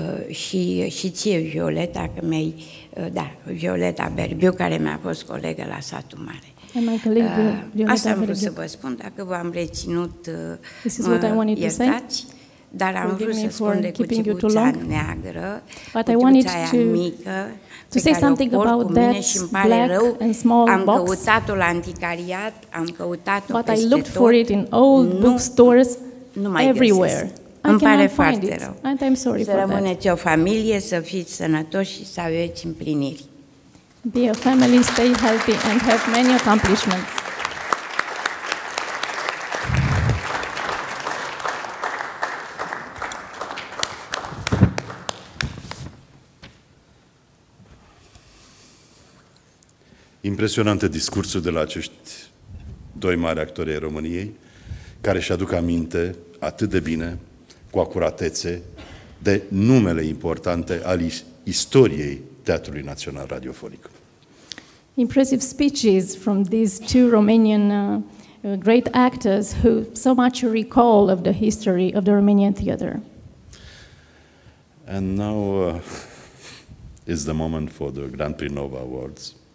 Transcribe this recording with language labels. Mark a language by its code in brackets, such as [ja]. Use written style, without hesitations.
[ro] Și ție, Violeta, că mi-ai, da, Violeta Berbiu, care mi-a fost colegă la Satul Mare. Asta am vrut să vă spun, dacă v-am reținut, iertați. Dar am vrut să spun de cuțipuța neagră, cuțipuța aia mică, [en] to say something about that black and small box. But I looked for it in old bookstores everywhere. [ro] Îmi pare foarte rău. [en] And I'm sorry for that. [ro] Să rămâneți o familie, să fiți sănătoși și să aveți împliniri. [en] Be a family, stay healthy and have many accomplishments. [ro] Impresionant discursul de la acești doi mari actori ai României, care își aduc aminte atât de bine, cu acuratețe, de numele importante ale istoriei Teatrului Național Radiofonic. [en] Impressive speeches from these two Romanian great actors who so much recall of the history of the Romanian theater. And now is the moment for the Grand Prix Nova Awards.